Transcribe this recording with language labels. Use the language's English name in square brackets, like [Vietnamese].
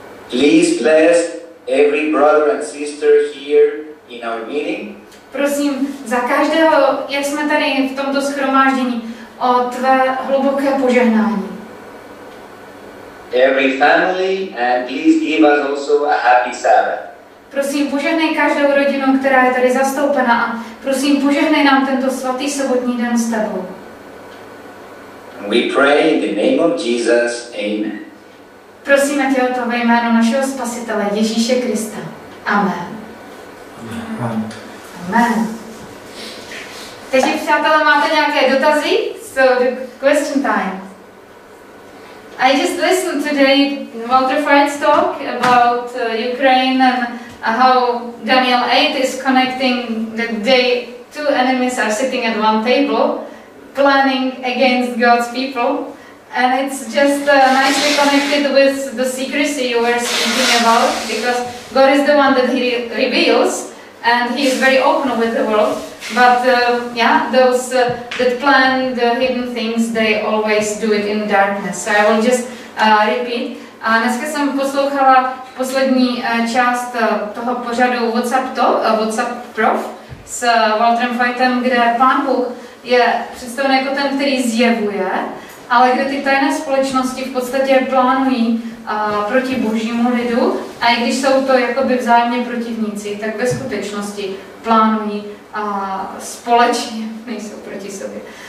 [English] Please bless every brother and sister here in our meeting. [Czech] Prosím za každého, jak jsme tady v tomto shromáždění, o tvé hluboké požehnání. [English] Every family, and please give us also a happy Sabbath. [Czech] Prosím, požehnej každou rodinu, která je tady zastoupena, a prosím, požehnej nám tento svatý sobotní den s tebou. [English] We pray in the name of Jesus, amen. [Czech] Prosíme tě o to ve jméno našeho Spasitele, Ježíše Krista. Amen. Amen. Amen. Takže, přátelé, máte nějaké dotazy? [English] So, the question time. I just listened today Walter Fried's talk about Ukraine and how Daniel 8 is connecting the day two enemies are sitting at one table planning against God's people, and it's just nicely connected with the secrecy you were speaking about, because God is the one that he reveals and he is very open with the world, but those that plan the hidden things, they always do it in darkness. So I will just repeat. [Czech] A dneska jsem poslouchala poslední část toho pořadu WhatsApp Prof s Walterem Fightem, kde Pán Bůh je představen jako ten, který zjevuje, ale kde ty tajné společnosti v podstatě plánují proti božímu lidu, a i když jsou to jakoby vzájemně protivníci, tak ve skutečnosti plánují společně, nejsou proti sobě.